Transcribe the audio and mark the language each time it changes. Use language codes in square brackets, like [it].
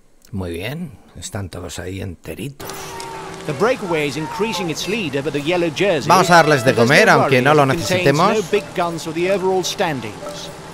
[es] Muy bien, están todos ahí enteritos. [en] The breakaway is increasing its lead over the yellow jersey. [es] Vamos a darles de comer, aunque no lo necesitemos. [en] No big guns for the overall standings.